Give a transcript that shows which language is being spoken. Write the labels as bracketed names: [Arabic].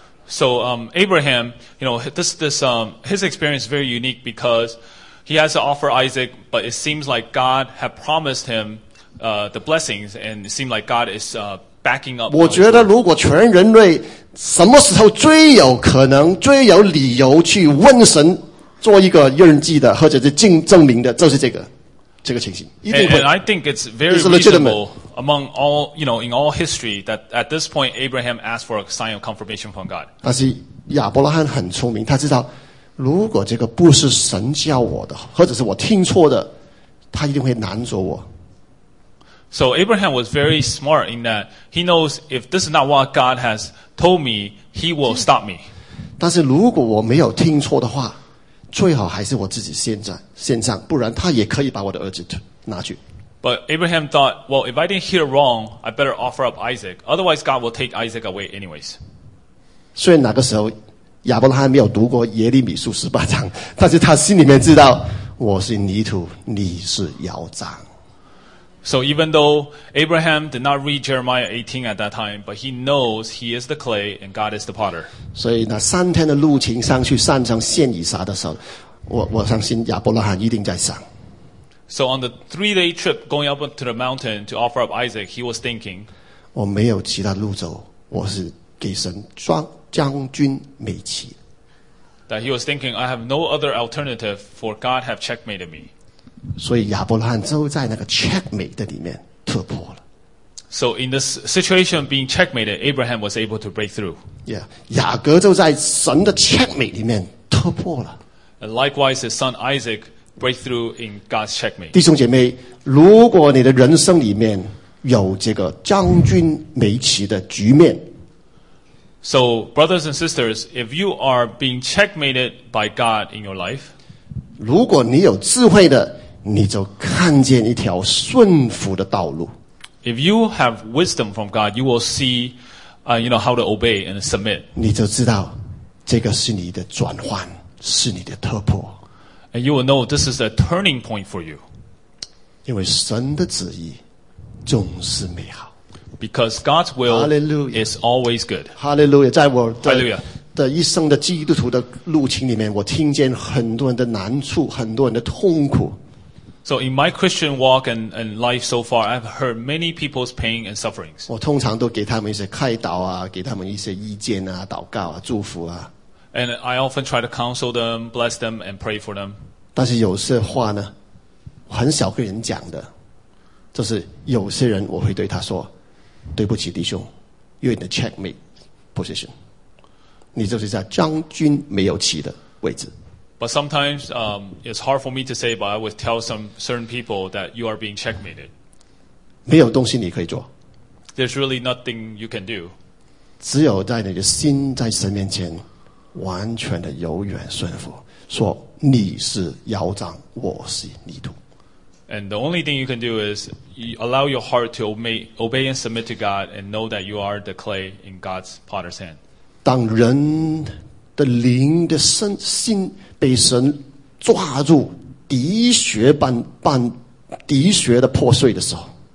[English] So Abraham, you know, his experience is very unique because he has to offer Isaac, but it seems like God had promised him the blessings, and it seemed like God is. [Chinese] 我觉得如果全人类什么时候最有可能最有理由去问神做一个认记的或者是证明的，就是这个情形一定会。 [English] And I think it's very reasonable among all, you know, in all history that at this point Abraham asked for a sign of confirmation from God. [Chinese] 但是亚伯拉罕很聪明，他知道如果这个不是神叫我的或者是我听错的，他一定会拦阻我。 [English] So Abraham was very smart in that he knows if this is not what God has told me, he will stop me. [Chinese] 但是如果我没有听错的话，最好还是我自己献上，不然他也可以把我的儿子拿去。 [English] But Abraham thought, well, if I didn't hear wrong, I better offer up Isaac. Otherwise, God will take Isaac away anyways. [Chinese] 虽然那个时候亚伯拉罕没有读过耶利米书十八章，但是他心里面知道我是泥土，你是窑匠。 [English] So even though Abraham did not read Jeremiah 18 at that time, but he knows he is the clay and God is the potter. [Chinese] 所以那三天的路程上去山上献以撒的时候，我相信亚伯拉罕一定在想。 [English] So on the 3-day trip going up to the mountain to offer up Isaac, he was thinking, [Chinese] 我没有其他路走，我是给神装将军美旗。 [English] That he was thinking, I have no other alternative for God have checkmated me. [Chinese] 所以亚伯拉罕就在那个 checkmate 的里面突破了。 [English] So in this situation being checkmated, Abraham was able to break through. [Chinese] Yeah, 雅各就在神的 checkmate 里面突破了。 [English] And likewise, his son Isaac break through in God's checkmate. [Chinese] 弟兄姐妹，如果你的人生里面有这个将军美旗的局面 [English] ，So brothers and sisters, if you are being checkmated by God in your life. [Chinese] 如果你有智慧的，你就看见一条顺服的道路。 [English] If you have wisdom from God, you will see, you know how to obey and submit. [Chinese] 你就知道这个是你的转换，是你的突破。 [English] And you will know this is a turning point for you. [Chinese] 因为神的旨意总是美好。 [English] Because God's will、 Hallelujah. is always good. Hallelujah! [Chinese] 在我的。 [English] Hallelujah. [Chinese] 的一生的基督徒的路程里面，我听见很多人的难处，很多人的痛苦。 [English] So in my Christian walk and life so far, I've heard many people's pain and sufferings. [Chinese] 我通常都给他们一些开导啊，给他们一些意见啊，祷告啊，祝福啊。 [English] And I often try to counsel them, bless them, and pray for them. [Chinese] 但是有些话呢，很少跟人讲的，就是有些人我会对他说，对不起，弟兄 ， [English] you're in the checkmate position. [Chinese] 你就是在将军没有棋的位置。 [English] But sometimes, it's hard for me to say, but I would tell some certain people that you are being checkmated. [Chinese] 没有东西你可以做。 [English] There's really nothing you can do. [Chinese] 只有在你的心在神面前完全的柔软顺服，说你是摇杖，我是泥土。 [English] And the only thing you can do is you allow your heart to obey and submit to God and know that you are the clay in God's potter's hand. [Chinese] 当人的灵的身心被神抓住滴血般般滴血的破碎的时候，